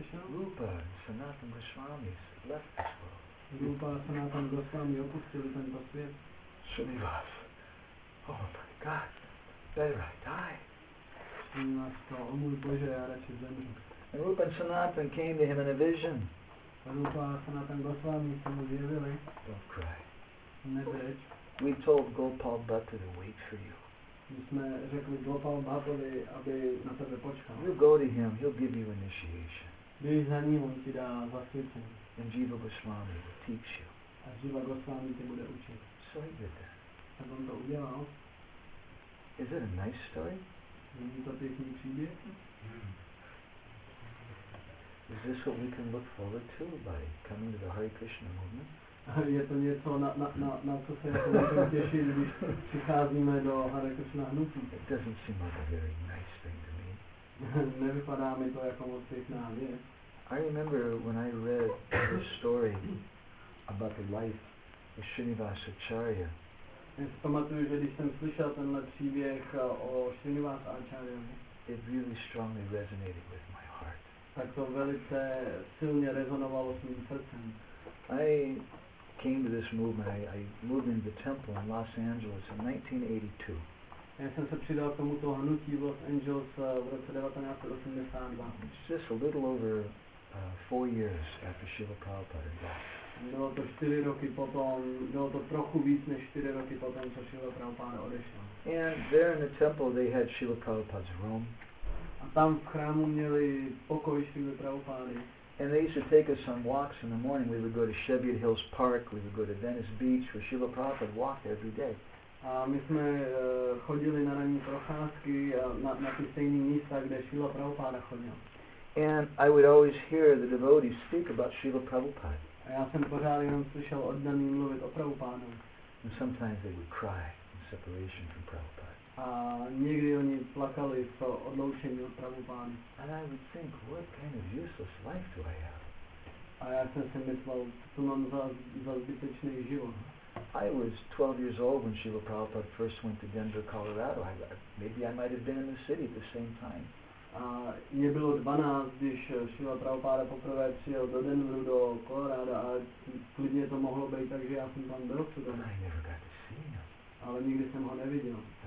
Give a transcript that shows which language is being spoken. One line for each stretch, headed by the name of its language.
English: Rupa and Sanatan Goswami left this world.
Czech: Rupa and Sanatan Goswami opustili tento svět.
English: Srinivas, oh my God, better I die.
Czech: Srinivas říkal, oh můj Bože, já radši zemřu.
English: And Rupa and Sanatan came to him in a vision.
Czech: Rupa and Sanatan Goswami se mu zjevili.
English: Don't cry.
Czech: Nebreč.
English: We told Gopal Bhatta to wait for you.
Czech: My jsme řekli Gopal Bhattovi, aby na tebe počkal.
English: You go to him, he'll give you initiation.
Czech: Běž za ním, on ti dá zasvěcení.
English: And Jiva Goswami will teach you.
Czech: A Jiva Goswami tě bude učit.
English: So he did that.
Czech: Tak on to udělal.
English: Is it a nice story?
Czech: Není to pěkný příběh?
English: Is this what we can look forward to by coming to the Hare Krishna movement?
Czech: Je to něco, na co se můžeme těšit, když přicházíme do Hare Krishna hnutí.
English: It doesn't seem like a very nice thing to me.
Czech: Nevypadá mi to jako moc pěkná věc.
English: I remember when I read the story about the life of Srinivas Acharya.
Czech: Já si pamatuju, že když jsem slyšel tenhle příběh o Srinivas Acharya.
English: It really strongly resonated with my heart.
Czech: Tak to velice silně rezonovalo s mým srdcem.
English: I came to this movement, I moved into the temple in Los Angeles in 1982.
Czech: Já jsem se přidal k tomuto hnutí Los Angeles v roce 1982.
English: It's just a little over 4 years after Srila Prabhupada died.
Czech: Bylo to 4 roky potom, bylo to trochu víc než 4 roky potom, co Srila Prabhupada odešel.
English: And there in the temple they had Srila Prabhupada's room.
Czech: A tam v chrámu měli pokoj Srila Prabhupada.
English: And they used to take us on walks in the morning. We would go to Cheviot Hills Park, we would go to Venice Beach, where Srila Prabhupada walked every day.
Czech: A my jsme chodili na ranní procházky na ty stejné místa, kde Srila Prabhupada chodil.
English: And I would always hear the devotees speak about Srila Prabhupada.
Czech: A já jsem pořád jenom slyšel oddaný mluvit o Prabhupádu.
English: And sometimes they would cry in separation from Prabhupada.
Czech: A někdy oni plakali z toho odloučení od Prabhupány.
English: And I would think, what kind of useless life do I have?
Czech: A já jsem si myslel, co mám za zbytečný život.
English: I was 12 years old when Srila Prabhupada first went to Denver, Colorado. Maybe I might have been in the city at the same time.
Czech: A mě bylo 12, když Srila Prabhupada poprvé přijel do Denveru, do Colorado, a klidně to mohlo být tak, že já jsem tam byl v tu dobu.
English: I never got to see him.
Czech: Ale nikdy jsem ho neviděl.